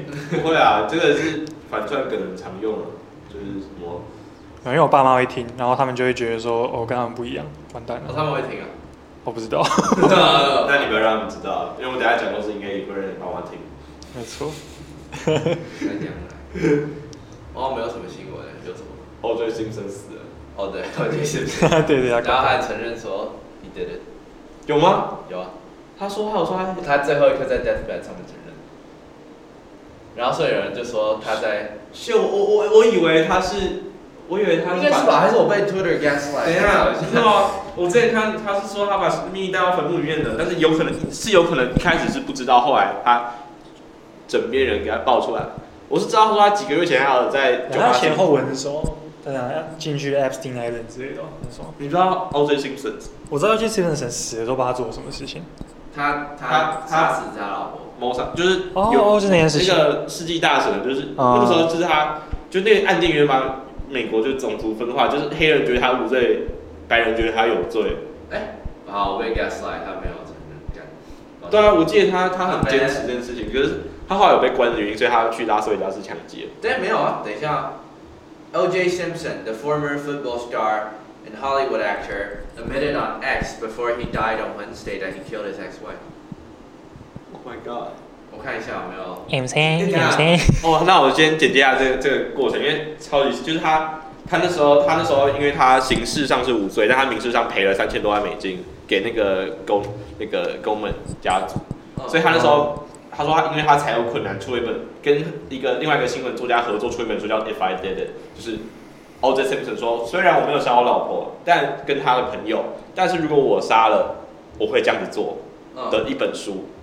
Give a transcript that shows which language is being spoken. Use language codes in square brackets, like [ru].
[zh] 不会啊，这个是反串梗很常用啊，就是什么？因为我爸妈会听，然后他们就会觉得说，哦，跟他们不一样，完蛋了。哦、他们会听啊？我不知道。那你不要让他们知道，因为我等下讲都是应该一个人爸妈听。没错。再讲了。哦，没有什么新闻，有什么？OJ Simpson 死了。哦，对 ，OJ Simpson。对对啊。然后还承认说 ， He did it。有吗？有啊。他说：“他有说他最后一刻在 deathbed 上面承认，然后所以有人就说他在秀我以为他是，我以为他应该是吧，还是我被 Twitter gaslight？等一下，是吗？我之前看他是说他把秘密带到坟墓里面的，但是有可能是有可能一开始是不知道，后来他枕边人给他爆出来。我是知道说他几个月前还有在酒吧，他前后文的时候。” 对啊，进去 Epstein Island 之类的，你知道 OJ Simpson？我知道 OJ Simpson 死的时候，他做了什么事情？他死他老婆谋杀，就是哦，就是那件事情，那个世纪大审，就是那个时候，就是他，就那个案件原本美国就种族分化，就是黑人觉得他无罪，白人觉得他有罪。哎，好，我被 gaslight， 他没有承认。对啊，我记得他很坚持这件事情，可是他后来有被关的原因，所以他去拉斯维加斯抢劫。对，没有啊，等一下。O.J. [en] Simpson, the former football star and Hollywood actor, admitted on X before he died on Wednesday that he killed his ex-wife. Oh my god. [zh] 我看一下有没有。 M.C. 哦，那我先简介一下这个过程，因为超级就是他那时候因为他刑事上是无罪，但他民事上赔了$3,000多给那个Goldman家族，所以他那时候。他说他因为他财务困难，出了一本跟一个另外一个新闻作家合作出一本书叫《If I Did It》，就是 OJ Simpson 说，虽然我没有杀我老婆，但跟他的朋友，但是如果我杀了，我会这样子做的一本书。